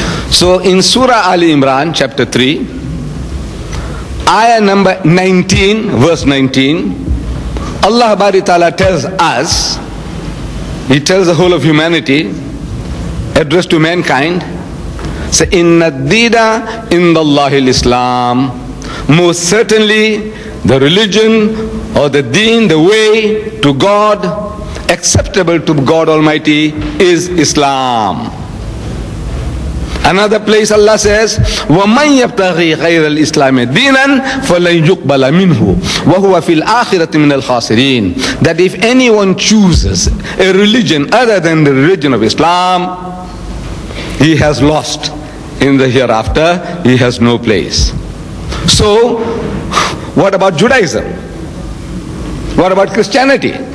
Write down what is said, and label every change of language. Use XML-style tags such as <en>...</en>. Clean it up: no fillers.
<en>So in Surah Ali Imran, chapter 3, ayah number 19, verse 19, Allah Bari Ta'ala tells us, he tells the whole of humanity, addressed to mankind, say,</en> <ar>"Inna ad-deena indallahi al-Islam."</ar> <en>Most certainly, the religion or the deen, the way to God, acceptable to God Almighty, is Islam.</en> <ar>Another place Allah says, وَمَنْ يَبْتَغِي غَيْرَ الْإِسْلَامِ دِينًا فَلَنْ يُقْبَلَ مِنْهُ وَهُوَ فِي الْآخِرَةِ مِنَ الْخَاسِرِينَ.</ar> <en>That if anyone chooses a religion other than the religion of Islam, he has lost in the hereafter. He has no place. So, what about Judaism? What about Christianity?</en>